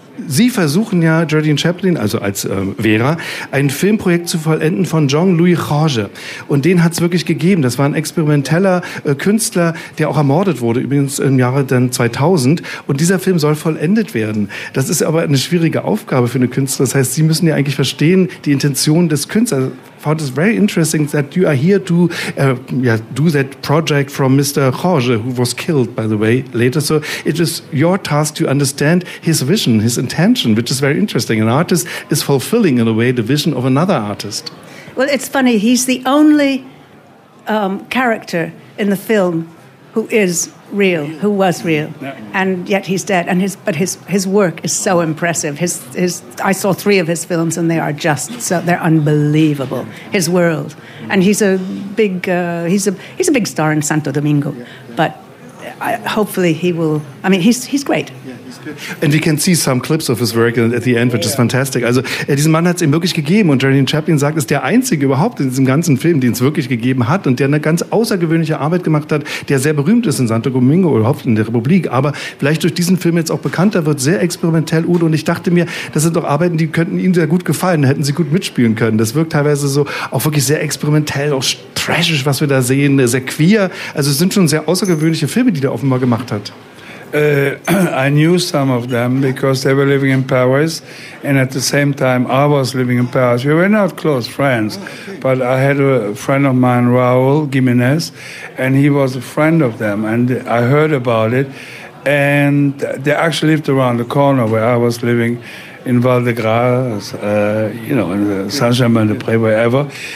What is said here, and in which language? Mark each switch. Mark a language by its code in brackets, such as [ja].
[de] Sie versuchen ja, Geraldine Chaplin, also als Vera, ein Filmprojekt zu vollenden von Jean-Louis Jorge. Und den hat es wirklich gegeben. Das war ein experimenteller Künstler, der auch ermordet wurde, übrigens im Jahre dann 2000. Und dieser Film soll vollendet werden. Das ist aber eine schwierige Aufgabe für eine Künstlerin. Das heißt, Sie müssen ja eigentlich verstehen, die Intention des Künstlers. [en] I found it very interesting that you are here to do that project from Mr. Jorge, who was killed, by the way, later. So it is your task to understand his vision, his intention, which is very interesting. An artist is fulfilling, in a way, the vision of another artist. Well, it's funny. He's the only character in the film who is real, who was real, and yet he's dead. And his work is so impressive. I saw three of his films, and they are just so, they're unbelievable. His world, and he's a big star in Santo Domingo, but hopefully he will. I mean, he's great. And we can see some clips of his work at the end, which is fantastic. [de] Also, diesen Mann hat es ihm wirklich gegeben. Und Geraldine Chaplin sagt, ist der Einzige überhaupt in diesem ganzen Film, den es wirklich gegeben hat und der eine ganz außergewöhnliche Arbeit gemacht hat, der sehr berühmt ist in Santo Domingo oder überhaupt in der Republik. Aber vielleicht durch diesen Film jetzt auch bekannter wird, sehr experimentell, Udo. Und ich dachte mir, das sind doch Arbeiten, die könnten Ihnen sehr gut gefallen, hätten Sie gut mitspielen können. Das wirkt teilweise so auch wirklich sehr experimentell, auch trashisch, was wir da sehen, sehr queer. Also es sind schon sehr außergewöhnliche Filme, die der offenbar gemacht hat. [en] I knew some of them because they were living in Paris, and at the same time I was living in Paris. We were not close friends, but I had a friend of mine, Raul Jimenez, and he was a friend of them, and I heard about it, and they actually lived around the corner where I was living, in Val de Grâce, in Saint-Germain-de-Prés, wherever.